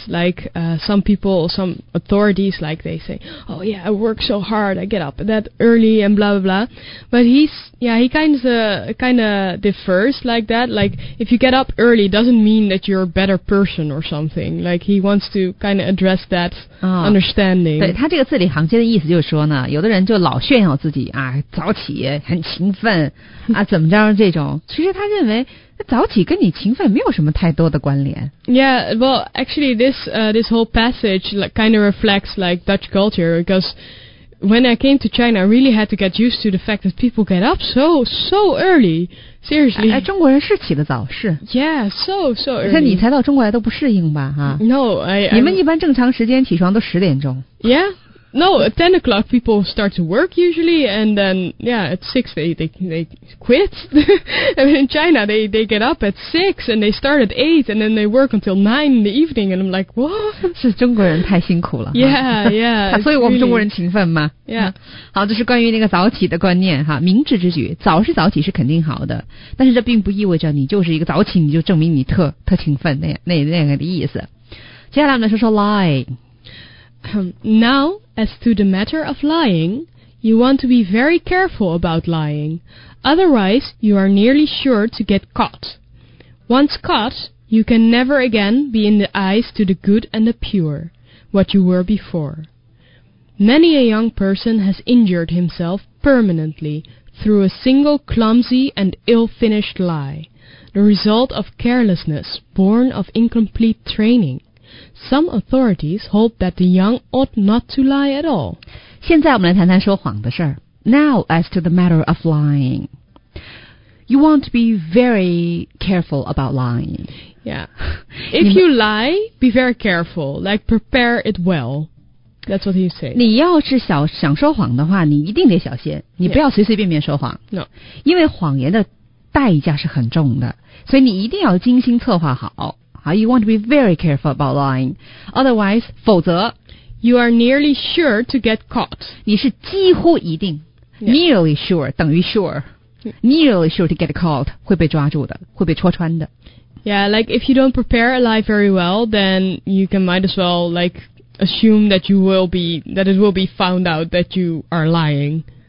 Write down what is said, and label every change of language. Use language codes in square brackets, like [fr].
[en] Like some people, some authorities, like they say, "Oh yeah, I work so hard, I get up that early and blah blah blah." But he kind of differs like that. Like if you get up early, doesn't mean that you're a better person or something. Like he wants to kind of address that understanding. [zh] 对他这个字里行间的意思就是说呢，有的人就老炫耀自己啊，早起很勤奋啊，怎么着这种。其实他认为。早起跟你勤奋没有什么太多的关联。 [en] Yeah, well, actually, this whole passage like, kind of reflects like Dutch culture because when I came to China, I really had to get used to the fact that people get up so early. Seriously. [zh] 哎，中国人是起得早，是。 [en] Yeah, so early. [zh] 你看你才到中国来都不适应吧，哈。 [en] No, I. [zh] 你们一般正常时间起床都10点钟。 [en] Yeah. No, at 10 o'clock, people start to work usually, and then, yeah, at 6, they quit. I mean, in China, they get up at 6, and they start at 8, and then they work until 9 in the evening, and I'm like, what? [zh] 是中国人太辛苦了。 [en] Yeah, yeah. [zh] 所以我们中国人勤奋吗 [en] Yeah. [zh] 好，这是关于那个早起的观念哈，明智之举，早是早起是肯定好的，但是这并不意味着你就是一个早起，你就证明你特勤奋那个的意思。接下来我们说说 lie。 [en] Now, as to the matter of lying, you want to be very careful about lying. Otherwise, you are nearly sure to get caught. Once caught, you can never again be in the eyes to the good and the pure, what you were before. Many a young person has injured himself permanently through a single clumsy and ill-finished lie, the result of carelessness born of incomplete training. Some authorities hold that the young ought not to lie at all. [zh] 现在我们来谈谈说谎的事儿。 [en] Now, as to the matter of lying, you want to be very careful about lying. Yeah. If you lie, be very careful. Like, prepare it well. That's what he said. [zh] 你要是想说谎的话，你一定得小心。你不要随随便便说谎。 [en] No. [zh] 因为谎言的代价是很重的，所以你一定要精心策划好。 [en] You want to be very careful about lying. Otherwise, [zh] 否则 [en] You are nearly sure to get caught. [zh] 你是几乎一定、 [en] yeah. Nearly sure [zh] 等于 sure. [en] Nearly sure to get caught [zh] 会被抓住的会被戳穿的 [en] Yeah, like if you don't prepare a lie very well, then you can might as well like assume that you will be, that it will be found out that you are lying.